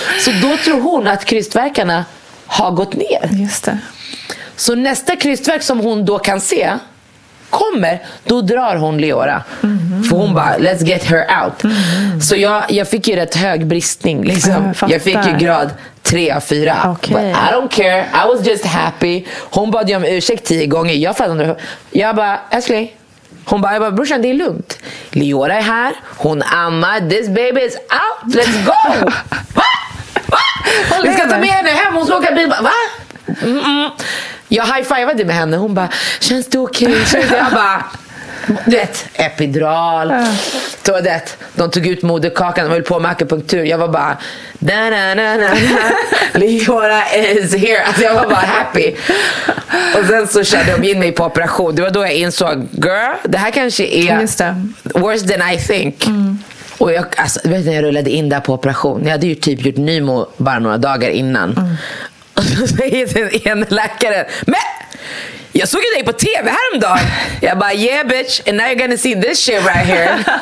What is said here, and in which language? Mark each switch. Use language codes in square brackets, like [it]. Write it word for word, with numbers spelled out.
[sv] Så då tror hon att krystverkarna har gått ner. Just det. Så nästa krystverk som hon då kan se kommer, då drar hon Leora. Mm-hmm. För hon bara, [en] let's get her out. [sv] Mm-hmm. Så jag, jag fick ju rätt hög bristning liksom. Jag, jag fick ju grad tre av fyra. Okay. [en] But I don't care, I was just happy. [sv] Hon bad ju om ursäkt tio gånger. Jag fattade, jag bara, älskling. Hon bara, jag bara, brorsan, det är lugnt. Leora är här, hon ammar. [en] This baby is out, let's go. [sv] Va? Va? Vi ska ta med henne hem, hon ska åka bil. Va? Mm-mm. Jag high-fivade med henne. Hon bara, känns det okej? Okay? Jag bara, du vet, epidural. Så det. De tog ut moderkakan. De höll på med akupunktur. Jag var bara, da na na na [en] Leora is here. [sv] Alltså jag var bara happy. Och sen så körde de in mig på operation. Det var då jag insåg, girl, det här kanske är [en] worse than I think. [sv] Mm. Och jag, alltså, vet du, när jag rullade in där på operation. Jag hade ju typ gjort nymo bara några dagar innan. Mm. Och så säger den ena läkaren, men jag såg ju dig på tv häromdagen. [en] Jag bara, yeah bitch, and now you're gonna see this shit right here.